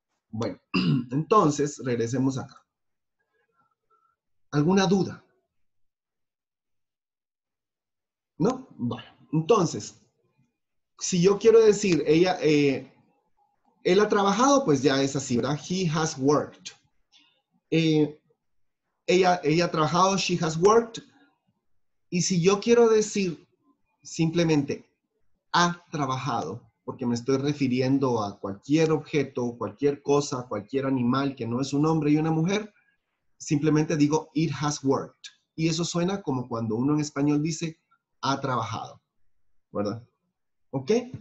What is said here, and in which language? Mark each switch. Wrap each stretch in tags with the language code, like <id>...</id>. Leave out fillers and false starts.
<es>Bueno, entonces, regresemos acá. ¿Alguna duda? ¿No? Bueno, entonces, si yo quiero decir, él ha trabajado, pues ya es así, ¿verdad?</es> <en>He has worked.</en> <es>Ella ha trabajado,</es> <en>she has worked.</en> <es>Y si yo quiero decir simplemente, ha trabajado, porque me estoy refiriendo a cualquier objeto, cualquier cosa, cualquier animal que no es un hombre y una mujer, simplemente digo,</es> <en>it has worked.</en> <es>Y eso suena como cuando uno en español dice, ha trabajado, ¿verdad? ¿Ok?</es>